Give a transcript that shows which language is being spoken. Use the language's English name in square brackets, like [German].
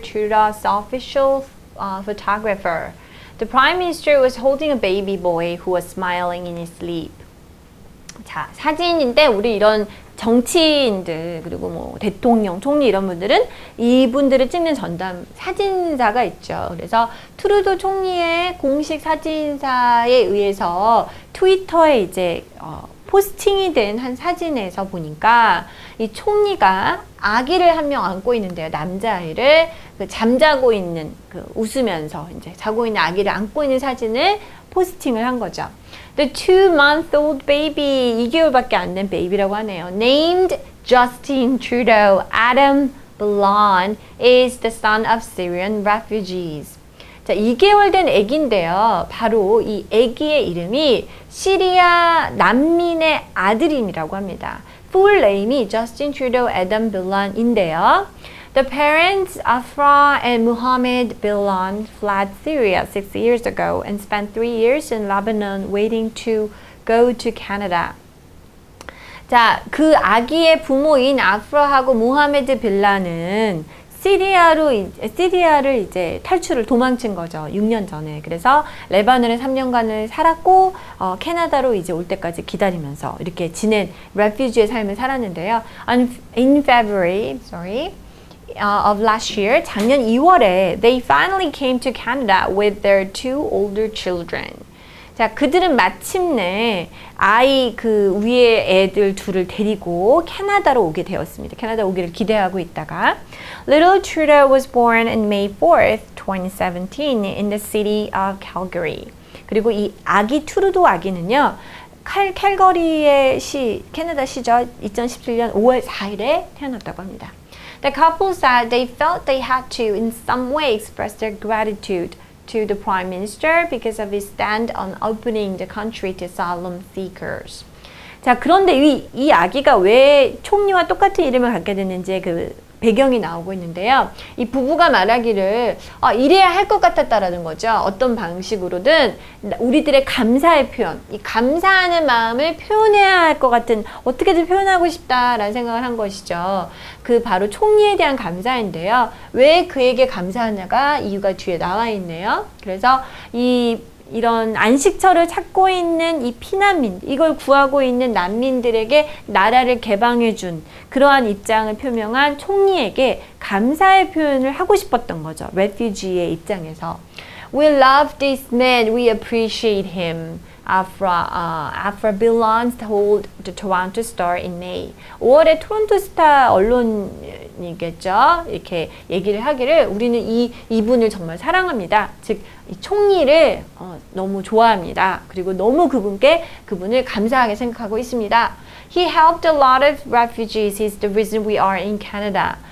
[English] Trudeau's official photographer, The Prime Minister was holding a baby boy who was smiling in his sleep. [Korean] 자, 사진인데 우리 이런 정치인들 그리고 뭐 대통령, 총리 이런 분들은 이분들을 찍는 전담 사진사가 있죠. 그래서 트루도 총리의 공식 사진사에 의해서 트위터에 이제 포스팅이 된 한 사진에서 보니까 이 총리가 아기를 한 명 안고 있는데요. 남자아이를 그 잠자고 있는, 그 웃으면서 이제 자고 있는 아기를 안고 있는 사진을 포스팅을 한 거죠. [English] The two-month-old baby, [Korean] 2개월밖에 안 된 baby라고 하네요. [English] Named Justin Trudeau Adam Blond is the son of Syrian refugees. [Korean] 자, 2개월 된 아기인데요. 바로 이 아기의 이름이 시리아 난민의 아들임이라고 합니다. Full name이 Justin Trudeau Adam Billon인데요. [English] The parents Afra and Muhammad Billon fled Syria 6 years ago and spent 3 years in Lebanon waiting to go to Canada. [Korean] 자, 그 아기의 부모인 아프라하고 무하메드 빌란은 시리아를 이제 탈출을 도망친 거죠. 6년 전에. 그래서 레바논에 3년간을 살았고 캐나다로 이제 올 때까지 기다리면서 이렇게 지낸 레퓨지의 삶을 살았는데요. [English] In February, of last year, [Korean] 작년 2월에 [English] they finally came to Canada with their two older children. [Korean] 자, 그들은 마침내 아이 그 위에 애들 둘을 데리고 캐나다로 오게 되었습니다. 캐나다 오기를 기대하고 있다가 [English] Little Trudeau was born on May 4th, 2017 in the city of Calgary. [Korean] 그리고 이 아기 트루도 아기는요. 캘거리의 시 캐나다 시죠. 2017년 5월 4일에 태어났다고 합니다. [English] The couple said they felt they had to in some way express their gratitude to the Prime Minister because of his stand on opening the country to asylum seekers. [Korean] 자, 그런데 이 아기가 왜 총리와 똑같은 이름을 갖게 됐는지 그 배경이 나오고 있는데요. 이 부부가 말하기를 이래야 할 것 같았다라는 거죠. 어떤 방식으로든 우리들의 감사의 표현, 이 감사하는 마음을 표현해야 할 것 같은 어떻게든 표현하고 싶다라는 생각을 한 것이죠. 그 바로 총리에 대한 감사인데요. 왜 그에게 감사하냐가 이유가 뒤에 나와 있네요. 그래서 이런 안식처를 찾고 있는 이 피난민, 이걸 구하고 있는 난민들에게 나라를 개방해준 그러한 입장을 표명한 총리에게 감사의 표현을 하고 싶었던 거죠. Refugee의 입장에서. [English] We love this man. We appreciate him. Afra Billon told the Toronto Star in May. [Korean] 5월에 토론토 스타 언론이겠죠. 이렇게 얘기를 하기를 우리는 이분을 정말 사랑합니다. 즉 이 총리를 너무 좋아합니다. 그리고 너무 그분을 감사하게 생각하고 있습니다. [English] He helped a lot of refugees. He's the reason we are in Canada.